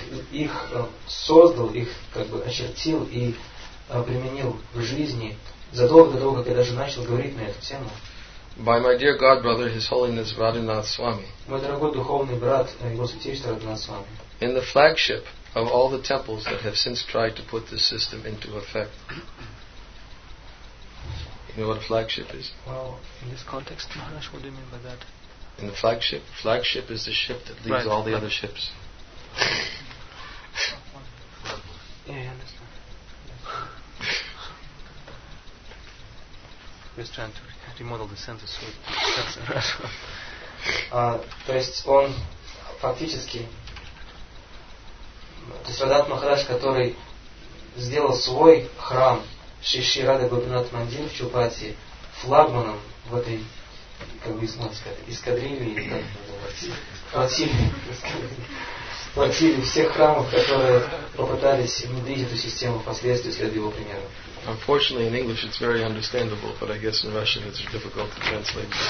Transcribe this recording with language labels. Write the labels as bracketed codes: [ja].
[ru] Их создал, их как бы очертил и применил в жизни задолго до того, как я даже начал говорить на эту тему. [en] By my dear God brother, His Holiness Radhanath Swami. [ru] Мой дорогой духовный брат, Его Святейшество Радханат Свами. [en] In the flagship of all the temples that have since tried to put this system into effect. You know what a flagship is? Well, in this context, Maharaj, what do you mean by that? In the flagship? Flagship is the ship that leaves all the other ships. Yeah, I understand. He's trying to remodel the sentence so it sounds in Russia. [ru] То есть он фактически, то есть Радхат Махарадж, который сделал свой храм Шри Шри Радха Бабинат Мандир в Чупати флагманом в этой, как бы, эскадрильи, или как это называется, флотилии всех храмов, которые попытались внедрить эту систему впоследствии, следуя его примеру. [en] Unfortunately, in English it's very understandable, but I guess in Russian it's difficult to translate.